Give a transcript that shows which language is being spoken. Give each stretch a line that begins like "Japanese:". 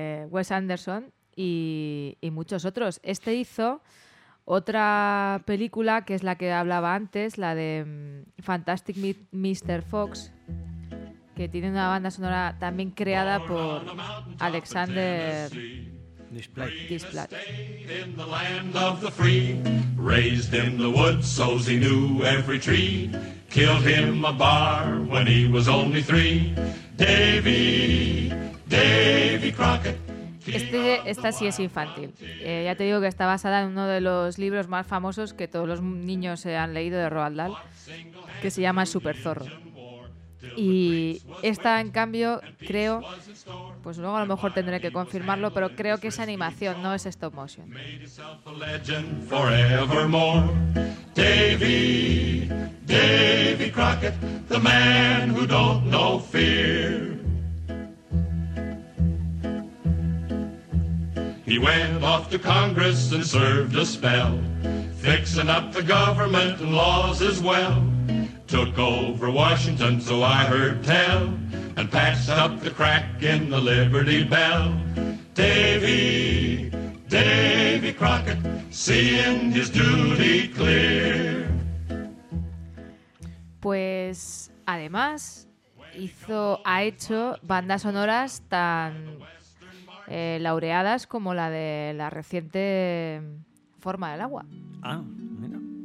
Spanish: Wes Anderson y muchos otros. Este hizo otra película, que es la que hablaba antes, la de Fantastic Mr. Fox, que tiene una banda sonora también creada por Alexander Desplat.
English: In the land of the free, raised in the woods so he knew every tree, killed him a bar when he was only three. Davy Crockett.
Spanish: Esta sí es infantil. Ya te digo que está basada en uno de los libros más famosos que todos los niños han leído de Roald Dahl, que se llama El Super Zorro. Y esta, en cambio, creo, pues luego a lo mejor tendré que confirmarlo, pero creo que es animación, no es stop motion.
English: Davy Crockett, the man who don't know fear. He went off to Congress and served a spell, fixing up the government and laws as well. Took over Washington, so I heard tell, and patched up the crack in the Liberty Bell. Davy Crockett, seeing his duty clear.
Spanish: Pues además ha hecho bandas sonoras tan laureadas como la de la reciente Forma del Agua. Ah, mira.